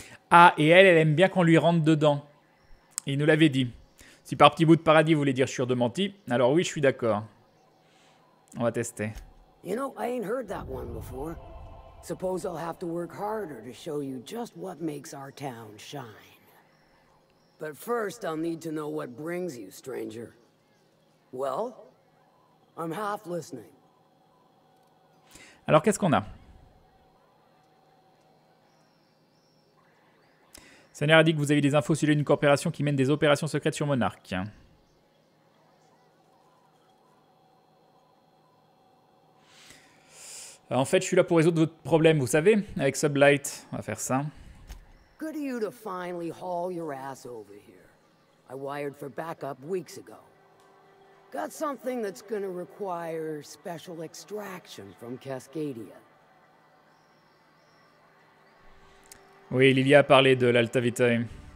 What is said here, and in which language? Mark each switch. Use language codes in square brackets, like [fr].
[fr] Ah, et elle aime bien qu'on lui rentre dedans. Il nous l'avait dit. Si par petit bout de paradis, vous voulez dire sûr de menti, alors oui, je suis d'accord. On va tester. [en] You know, I ain't heard that one before. Suppose I'll have to work harder to show you just what makes our town shine. But first, I'll need to know what brings you, stranger. Well, I'm half listening. [fr] Alors, qu'est-ce qu'on a? Seigneur a dit que vous avez des infos sur une corporation qui mène des opérations secrètes sur Monarch. En fait, je suis là pour résoudre votre problème, vous savez, avec Sublight. On va faire ça. [en] Good of you to finally haul your ass over here. I wired for backup weeks ago. Got something that's gonna require special extraction from Cascadia. [fr] Oui, Lilia a parlé de l'Alta Vitae.